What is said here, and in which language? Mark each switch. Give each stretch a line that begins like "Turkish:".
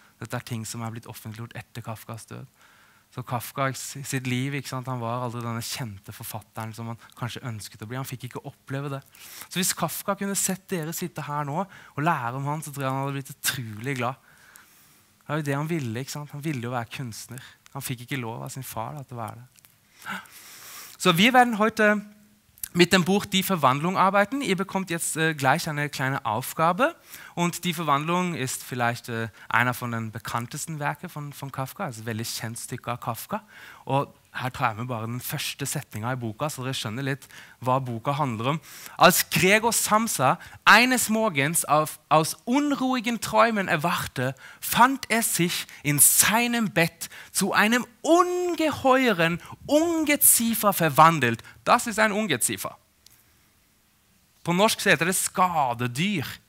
Norwegian: Dette ting som blitt offentliggjort etter Kafkas død. Så Kafka i sitt liv, ikke sant, han var aldri denne kjente forfatteren som han kanskje ønsket å bli. Han fikk ikke oppleve det. Så hvis Kafka kunne sett dere sitte her nå og lære om han, så tror jeg han hadde blitt utrolig glad. Det var jo det han ville, ikke sant? Han ville jo være kunstner. Han fikk ikke lov av sin far da, til å være det.
German: Så vi werden heute mit dem Buch Die Verwandlung arbeiten. Ihr bekommt jetzt gleich eine kleine Aufgabe. Und Die Verwandlung ist vielleicht einer von den bekanntesten Werken von Kafka.
Norwegian: Also veldig kjent stykke av Kafka. Og her tar jeg med bare den første setningen i boka, så dere skjønner litt hva boka handler om.
German: Als Gregor Samsa eines Morgens aus unruhigen Träumen erwachte, fand sich in seinem Bett zu einem ungeheuren Ungeziefer verwandelt. Das ist ein Ungeziefer.
Norwegian: På norsk heter det skadedyr.